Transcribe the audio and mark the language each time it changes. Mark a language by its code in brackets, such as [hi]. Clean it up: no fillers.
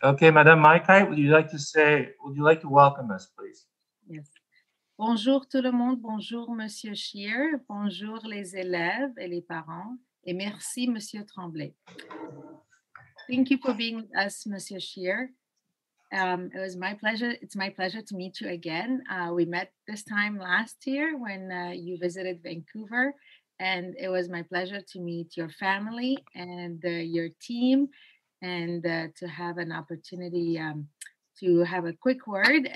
[en] Okay, Madame Maikai, would you like to say, would you like to welcome us, please? Yes. [fr] Bonjour tout le monde, bonjour Monsieur Scheer, bonjour les élèves et les parents, et merci Monsieur Tremblay. [en] Thank you for being with us, Monsieur Scheer. It was my pleasure. It's my pleasure to meet you again. We met this time last year when you visited Vancouver, and it was my pleasure to meet your family and your team, and to have an opportunity to have a quick word.